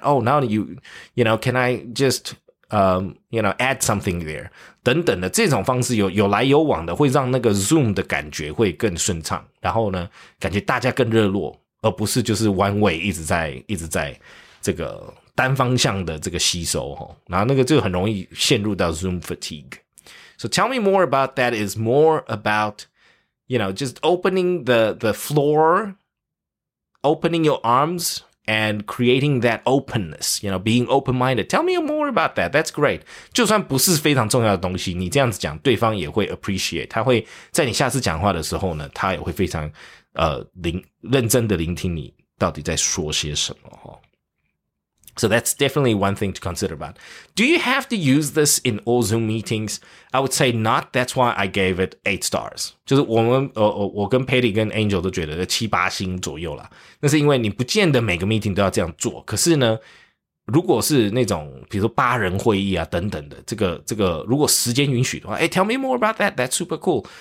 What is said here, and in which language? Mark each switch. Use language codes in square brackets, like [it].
[en] Oh, now you know, can I just you know, add something there? [zh] 等等的这种方式有来有往的，会让那个 Zoom 的感觉会更顺畅。然后呢，感觉大家更热络，而不是就是 one way 一直在这个单方向的这个吸收哈。然后那个就很容易陷入到 Zoom fatigue. [en] So tell me more about that. Is more about you know, just opening the floor, opening your arms, and creating that openness, you know, being open-minded. Tell me more about that. That's great. [zh] 就算不是非常重要的东西，你这样子讲，对方也会 appreciate. 他会在你下次讲话的时候呢，他也会非常认真的聆听你到底在说些什么。 [en] So that's definitely one thing to consider about. Do you have to use this in all Zoom meetings? I would say not. That's why I gave it 8 stars. [zh] 就是我跟 Patty 跟 Angel 都觉得七八星左右啦。那是因为你不见得每个 meeting 都要这样做。可是呢，如果是那种比如说八人会议啊等等的，这个如果时间允许的话，哎 ， [en] tell me more about that. That's super cool.